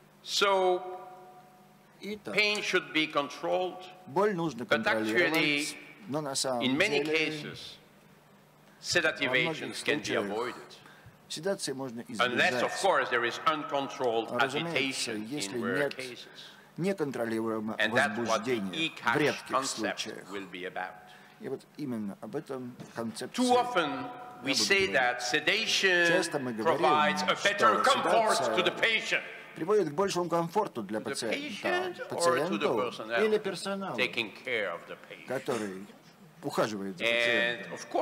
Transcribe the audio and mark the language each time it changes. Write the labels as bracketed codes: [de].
[en] So, pain should be controlled, but actually, in many cases, sedative agents can be avoided. [ru] Седации можно избежать. [en] Unless, of course, there is uncontrolled agitation in rare cases. [ru] Неконтролируемое возбуждение в редких случаях. И вот именно об этом концепция. [en] Too often we say that sedation provides a better comfort to the patient. [ru] Приводит к большему комфорту для пациента, пациенту или персоналу, который ухаживает за пациентом.